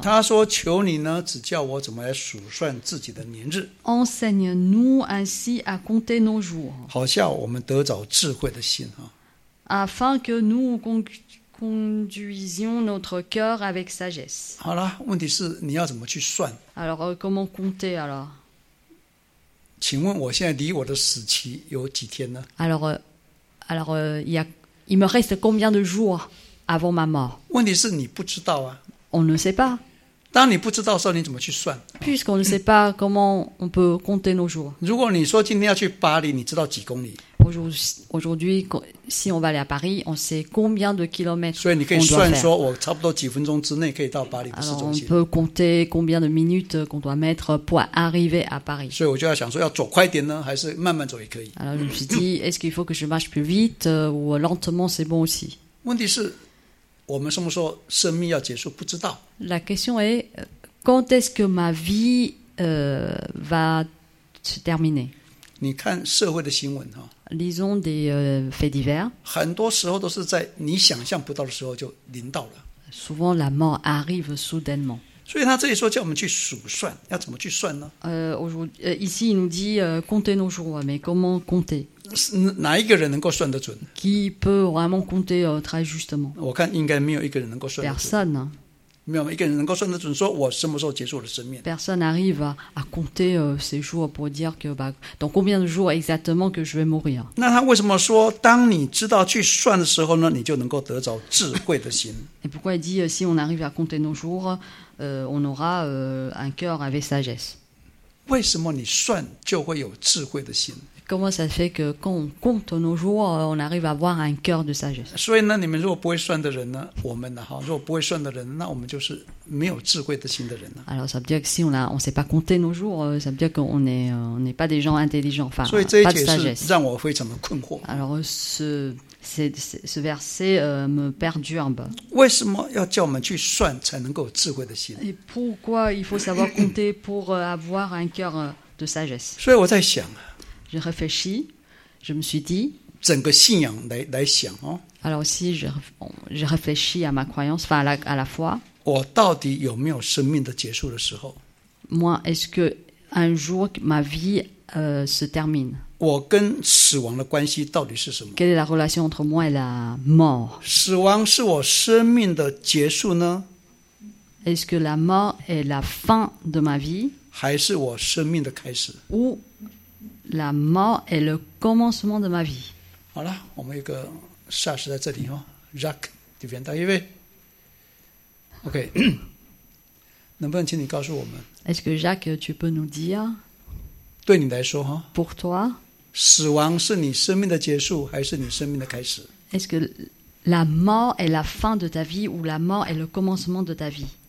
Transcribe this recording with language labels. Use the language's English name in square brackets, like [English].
[Chinese] 他说：“求你呢，只叫我怎么来数算自己的年日。 [French] ”Enseigne-nous ainsi à compter nos jours. [Chinese] 好像我们得着智慧的心啊。 [French] Afin que nous conduisions notre cœur avec sagesse. [Chinese] 好了，问题是你要怎么去算？ [French] Alors, comment compter alors? [Chinese] 请问我现在离我的死期有几天呢？ [French] Alors, il me reste combien de jours avant ma mort? [Chinese] 问题是你不知道啊。 [French] On ne sait pas. [Chinese] 当你不知道的时候，你怎么去算？ [French] Puisqu'on ne sait pas, comment on peut compter nos jours? [Chinese] 如果你说今天要去巴黎，你知道几公里？ [French] Aujourd'hui, si on va aller à Paris, on sait combien de kilomètres on doit faire. [Chinese] 所以你可以算说我差不多几分钟之内可以到巴黎的市中心。 [French] Alors on peut compter combien de minutes qu'on doit mettre pour arriver à Paris. [Chinese] 所以我就要想说要走快点呢，还是慢慢走也可以。 [French] Alors je me suis dit, est-ce qu'il faut que je marche plus vite ou lentement, c'est bon aussi. [Chinese] 问题是，我们什么时候生命要结束，不知道。 [French] La question est, quand est-ce que ma vie va se terminer? [Chinese] 你看社会的新闻 [French] Lisons des faits divers. [Chinese] 很多时候都是在你想象不到的时候就临到了。 [French] Souvent la mort arrive soudainement. [Chinese] 所以他这里说叫我们去数算，要怎么去算呢？ [French] Ici il nous dit compter nos jours, mais comment compter? [Chinese] 哪一个人能够算得准 [French] ？Qui peut vraiment compter très justement? [Chinese] 我看应该没有一个人能够算得准。 [French] Personne. [Chinese] 没有一个人能够算得准，说我什么时候结束我的生命。 [French] Personne arrive à compter ces jours pour dire que, bah, dans combien de jours exactement que je vais mourir. [Chinese] 那他为什么说，当你知道去算的时候呢，你就能够得着智慧的心？ [French] Et pourquoi il dit, si on arrive à compter nos jours, on aura un cœur avec sagesse. [Chinese] 为什么你算就会有智慧的心？ [French] Comment ça fait que quand on compte nos jours, on arrive à avoir un cœur de sagesse? [Chinese] 所以呢，你们如果不会算的人呢，我们呢，哈，如果不会算的人，那我们就是没有智慧的心的人了。 [French] Alors ça veut dire que si on sait pas compter nos jours, ça veut dire qu'on n'est pas des gens intelligents, enfin, pas de sagesse. [Chinese] 让我非常的困惑。 [French] Alors ce verset me perturbe. [Chinese] 为什么要叫我们去算才能够有智慧的心？ [French] Et pourquoi il faut savoir compter pour avoir un cœur de sagesse? [Chinese] 所以我在想。 [French] j'ai réfléchi, je me suis dit. [Chinese] 整个信仰来想哦。 [French] Alors aussi, j'ai réfléchi à ma croyance, enfin à la foi. [Chinese] 我到底有没有生命的结束的时候？ [French] Moi, est-ce que un jour ma vie se termine? [Chinese] 我跟死亡的关系到底是什么？ [French] Quelle est la relation entre moi et la mort? [Chinese] 死亡是我生命的结束呢？ [French] Est-ce que la mort est la fin de ma vie? [Chinese] 还是我生命的开始？ [French] Ou la mort est le commencement de ma vie? [Chinese] 好了，我们一个霎时在这里哦 ，Jacques, [French] tu viens d'arriver? [Chinese] OK, 能不能请你告诉我们 [French] ？Est-ce que Jacques, tu peux nous dire? [Chinese] 对你来说哈 [French] ，Pour toi, [Chinese] 死亡是你生命的结束，还是你生命的开始 [French] ？Est-ce que la mort est la fin de ta vie ou la mort est le commencement de ta vie?